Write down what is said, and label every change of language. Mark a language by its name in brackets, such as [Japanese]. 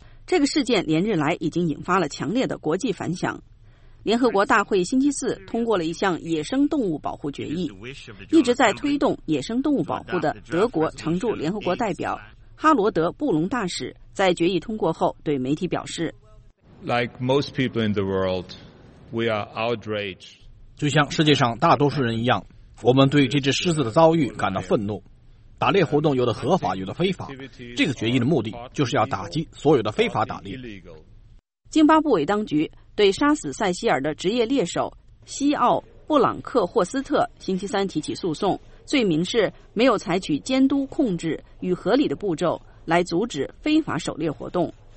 [Chinese] 这个事件连日来已经引发了强烈的国际反响。联合国大会星期四通过了一项野生动物保护决议，一直在推动野生动物保护的德国常驻联合国代表哈罗德·布隆大使在决议通过后对媒体表示， [English] Like most people in the world, we are outraged. [Chinese] 就像世界上大多数人一样，我们对这只狮子的遭遇感到愤怒。打猎活动有的合法，有的非法。这个决议的目的就是要打击所有的非法打猎。津巴布韦当局对杀死塞西尔的职业猎手西奥·布朗克霍斯特星期三提起诉讼，罪名是没有采取监督、控制与合理的步骤来阻止非法狩猎活动。